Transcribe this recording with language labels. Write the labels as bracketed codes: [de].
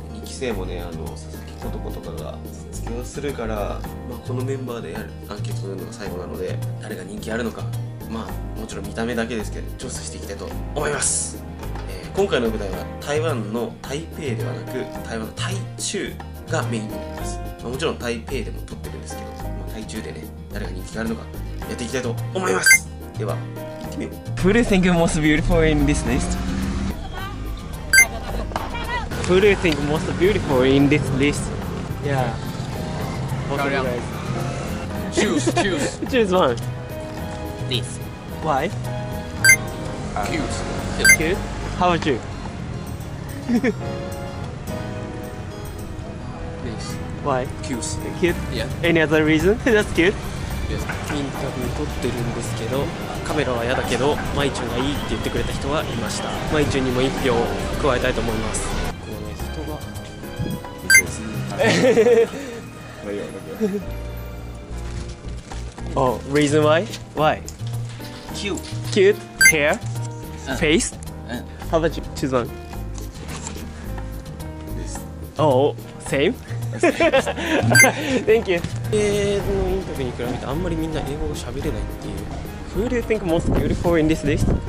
[ja] 2期生もね、佐々木琴子とかが卒業するから、まあこのメンバーでやるアンケートというのが最後なので、誰が人気あるのか、まあもちろん見た目だけですけど調査していきたいと思います。今回の舞台は台湾の台北ではなく、台湾の台中がメインになります。まあ、もちろん台北でも撮ってるんですけど、まあ、台中でね、誰が人気があるのかやっていきたいと思います。では行ってみよう。 [en] Who do you think is most beautiful in this list? Who do you think is most beautiful in this list? Yeah. Both of you guys. Choose one. This. Why? Cute. How about you? This. Why? Cute. Yeah. Any other reason? That's cute? [ja] インタビュー撮ってるんですけど、カメラは嫌だけどマイチュンがいいって言ってくれた人はいました。マイチュンにも1票加えたいと思います。こうね、人がいいですね。え [en] へへへ、 reason why? cute hair face how about you? choose one this same? thank you。 [ja] のインタビューに比べてあんまりみんな英語を喋れないっていう。 [en] Who do you think most beautiful in this list?